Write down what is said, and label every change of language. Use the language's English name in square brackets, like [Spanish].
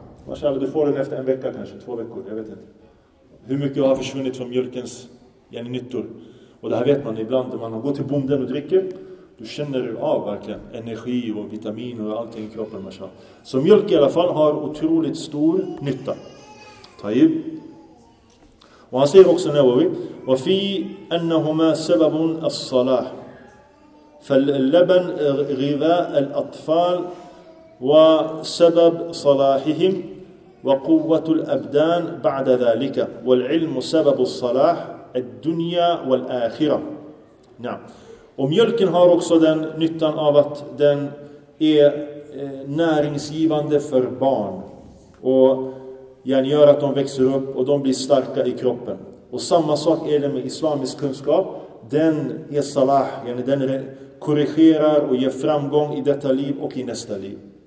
[Swedish] Mashallah, du får den efter en vecka kanske, två veckor, jag vet inte. Hur mycket har försvunnit från mjölkens nyttor? Och det här vet man ibland, när man går till bonden och dricker, du känner av verkligen energi och vitamin och allting i kroppen, mashallah. Så mjölk i alla fall har otroligt stor nytta. Tayyib. Och han säger också Nawawi, [Arabic] وَفِي أَنَّهُمَا سَبَبٌ الصَّلَاحِ فَالْلَبَنْ غِذَاء الْأَطْفَالِ وسبب صلاحهم وقوة الأبدان بعد ذلك والعلم سبب الصلاح الدنيا والآخرة. نعم. [Swedish] Och mjölken har också den nyttan av att den är näringsgivande för barn och gör att de växer upp och de blir starka i kroppen. Och samma sak är det med islamisk kunskap. Den är salah, den korrigerar och ger framgång i detta liv och i nästa liv.